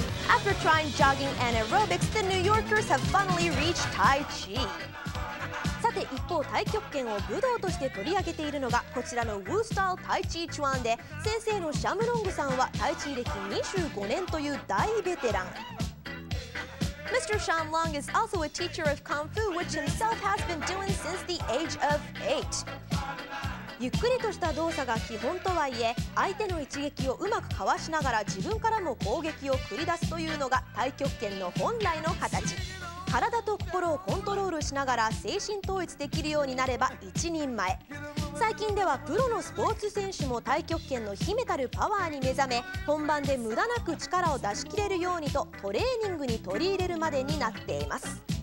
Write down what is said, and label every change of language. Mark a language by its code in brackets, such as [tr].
[en] After trying jogging and aerobics, the New Yorkers have finally reached Tai Chi. [ja] さて一方太極拳を武道として取り上げているのがこちらのウースター太一チュアンで、先生のシャムロングさんは太一歴25年という大ベテラン。 [en] Mr. Sean Long is also a teacher of Kung Fu, which himself has been doing since the age of 8. [ja] ゆっくりとした動作が基本とはいえ、相手の一撃をうまくかわしながら自分からも攻撃を繰り出すというのが太極拳の本来の形。体と心をコントロールしながら精神統一できるようになれば一人前。最近ではプロのスポーツ選手も太極拳の秘めたるパワーに目覚め、本番で無駄なく力を出し切れるようにとトレーニングに取り入れるまでになっています。